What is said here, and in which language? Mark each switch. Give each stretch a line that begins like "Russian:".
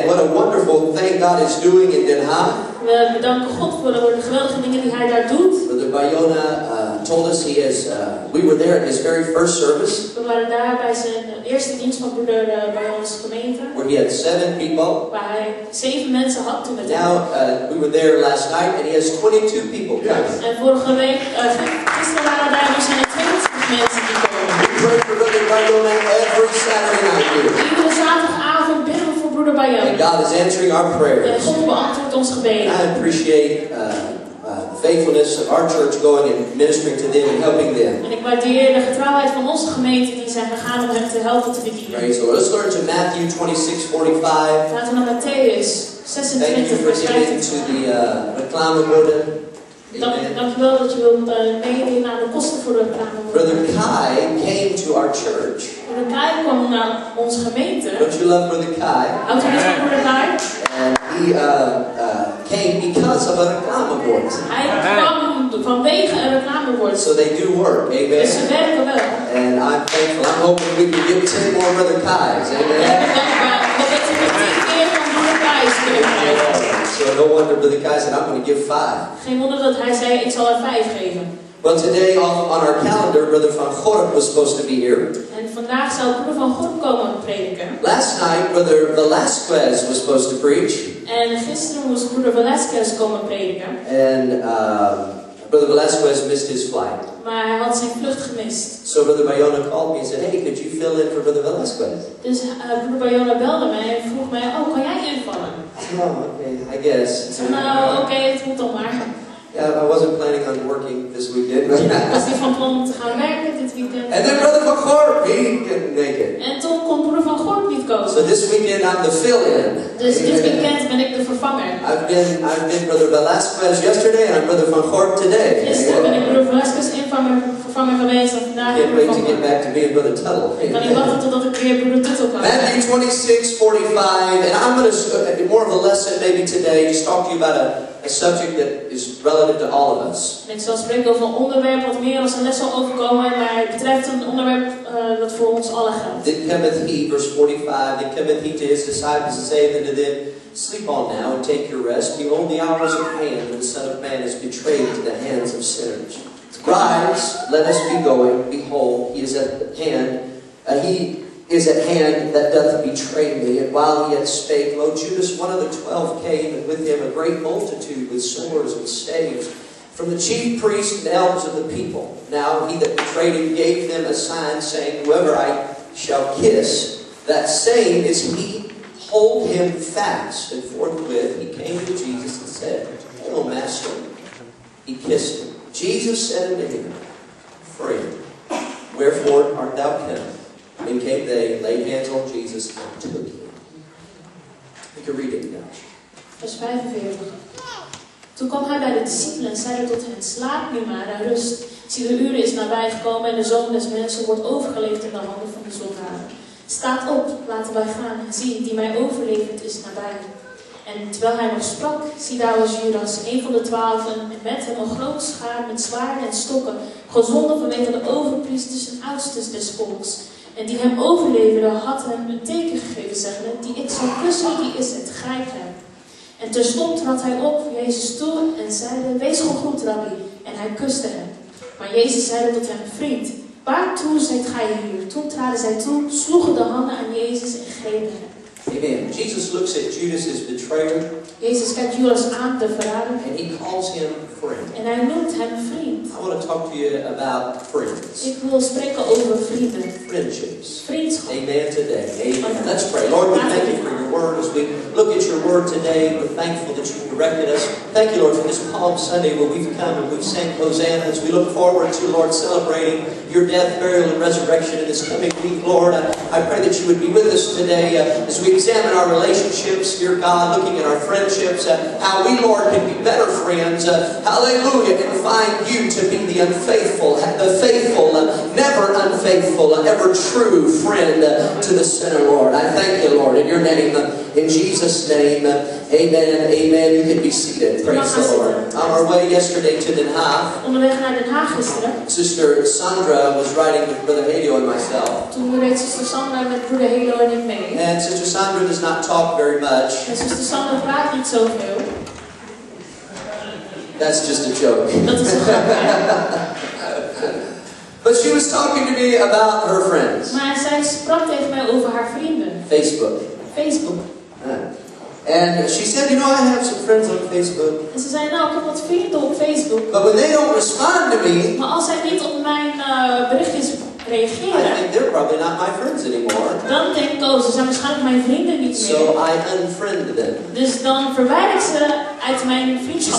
English: What a wonderful thing God is doing in Den Haag.
Dutch: We bedanken God voor de geweldige dingen die Hij daar doet.
English: Brother Bayona told us he is. We were there at his very first service.
Dutch: We waren daar bij zijn eerste dienst van Broeder Bayona's gemeente.
English: Where he had 7 people.
Dutch: Waar hij 7 mensen had toen met hem.
English: Now we were there last night and he has 22 people. Yes.
Dutch: En vorige week gisteren waren daar nu zijn 22 mensen die komen.
English: We pray for Brother Bayona every Saturday night here.
Dutch: Iedere zaterdagavond bidden we voor Broeder Bayona.
English: And God is answering our prayers.
Dutch: En God beantwoordt ons gebeden.
English: I appreciate. Faithfulness of our church going and ministering to them and helping them.
Dutch: En ik waardeer de getrouwheid van onze gemeente die zijn gegaan om hen te helpen te bedienen.
English: Praise the Lord. Let's turn to Matthew 26:45.
Dutch: Laten we naar Matthäus 26:45.
English: Thank you for giving to the
Dutch: reclame worden. Dankjewel dat je wilt meenemen aan de kosten voor de reclame worden.
English: Brother Kai came to our church.
Dutch: Brother Kai kwam naar onze gemeente.
English: Don't you love Brother Kai?
Dutch: Houdt u niet van Brother Kai?
English: And he came because of a reclame board.
Dutch: Hij kwam vanwege een reclame board.
English: So they do work, amen.
Dutch: Dus ze werken wel.
English: And I'm thankful. I'm hoping we can get 10 more Brother Kais, amen.
Dutch: Ik ben dankbaar dat we 10 keer van Brother Kais kunnen krijgen.
English: So no wonder Brother Kais said, I'm going to give 5.
Dutch: Geen wonder dat hij zei, ik zal er 5 geven.
English: Well, today on our calendar, Brother Van Gorp was supposed to be here.
Dutch: En vandaag zou Broeder Van Gorp komen prediken.
English: Last night, Brother Velasquez was supposed to preach.
Dutch: En gisteren moest Broeder Velasquez komen prediken.
English: And Brother Velasquez missed his flight.
Dutch: Maar hij had zijn vlucht gemist.
English: So Brother Bayona called me and said, hey, could you fill in for Brother Velasquez?
Dutch: Dus Broeder Bayona belde mij en vroeg mij, oh, kan jij invallen?
English: Oh, okay, I guess.
Dutch: Nou, oké, het moet dan maar.
English: Yeah, I wasn't planning on working this weekend.
Dutch: Was niet van plan te gaan werken dit weekend.
English: And then Brother Van Gorp, he couldn't make it.
Dutch: En toen kon Broeder Van Gorp niet komen.
English: So this weekend I'm the fill-in.
Dutch: Dus dit weekend ben ik de vervanger.
English: I've been Brother Velasquez yesterday and I'm Brother Van Gorp today.
Dutch: Gisteren ben ik Broeder Velasquez vervanger geweest en vandaag
English: Can't wait to get back to being Brother Tuttle.
Dutch: Ik kan niet wachten totdat ik weer Broeder Tuttle kan.
English: Matthew 26:45, and I'm going to be more of a lesson maybe today, just talk to you about a subject that is relative to all of us.
Dutch: Ik zal spreken over een onderwerp wat meer als een les zal overkomen, maar het betreft een onderwerp dat voor ons allen geldt.
English: Then cometh he, verse 45, then cometh he to his disciples and saith unto them, sleep on now and take your rest. Behold, the hour is at hand, and the Son of Man is betrayed into the hands of sinners. Rise, let us be going. Behold, he is at hand. He is at hand that doth betray me. And while he yet spake, lo, Judas, one of the 12, came, and with him a great multitude with swords and staves, from the chief priests and elders of the people. Now he that betrayed him gave them a sign, saying, whoever I shall kiss, that same is he. Hold him fast. And forthwith he came to Jesus and said, O Master, he kissed him. Jesus said unto him, free. Wherefore art thou kept? And came they, laid hands on Jesus, and took him. You can read it now.
Dutch: Vers 45. Toen kwam hij bij de discipelen en zeide tot hen, slaap nu maar en rust. Zie, de uur is nabij gekomen en de Zoon des mensen wordt overgeleverd in de handen van de zondaren. Staat op, laten wij gaan. Zie, die mij overlevert is nabij. En terwijl hij nog sprak, zie daar was Judas, een van de twaalfen, en met hem een groot schaar met zwaarden en stokken, gezonden vanwege de overpriesters en oudsters des volks. En die hem overleverde, had hem een teken gegeven, zeggende, die ik zal kussen, die is het grijpen. En terstond trad hij op Jezus toe en zeide, wees gegroet, Rabbi. En hij kuste hem. Maar Jezus zeide tot hem, vriend, waartoe zijt gij hier? Toen traden zij toe, sloegen de handen aan Jezus en grepen hem. Amen.
English: Jesus looks at Judas, his betrayer.
Dutch: Jesus kijkt Judas aan, de verrader.
English: And he calls him friend.
Dutch: En hij noemt hem vriend.
English: I want to talk to you about friends.
Dutch: Ik wil spreken over vrienden.
English: Friendships.
Dutch: Vriendschap.
English: Amen today. Amen. Let's pray. Lord, we thank you for your word. As we look at your word today, we're thankful that you've directed us. Thank you, Lord, for this Palm Sunday where we've come and we've sang Hosanna as we look forward to, Lord, celebrating your death, burial, and resurrection in this coming week. Lord, I pray that you would be with us today as we examine our relationships, dear God, looking at our friendships, how we, Lord, can be better friends. Hallelujah, can find you to be the unfaithful, the faithful, never unfaithful, ever true friend to the sinner, Lord. I thank you, Lord, in your name, in Jesus' name, amen, amen. You can be seated. Praise the Lord. On our way yesterday to Den Haag,
Dutch: onderweg naar Den Haag gisteren,
English: Sister Sandra was riding with Brother Helio and myself.
Dutch: Toen reed Sister Sandra met Brother Helio en ik mee.
English: And Sister Sandra does not talk very much.
Dutch: En Sister Sandra praat niet zo veel.
English: That's just a joke.
Dutch: Dat is een grapje.
English: But she was talking to me about her friends.
Dutch: Maar zij sprak tegen mij over haar vrienden.
English: Facebook.
Dutch: Facebook.
English: And she said, you know, I have some friends on Facebook.
Dutch: En ze zei, nou, ik heb wat vrienden op Facebook.
English: But when they don't respond to me,
Dutch: maar als zij niet op mijn berichtjes reageren,
English: I think they're probably not my friends anymore.
Dutch: Dan denk ik, oh, ze zijn waarschijnlijk mijn vrienden niet meer.
English: So I unfriend them.
Dutch: Dus dan verwijder ik ze uit mijn vriendschap.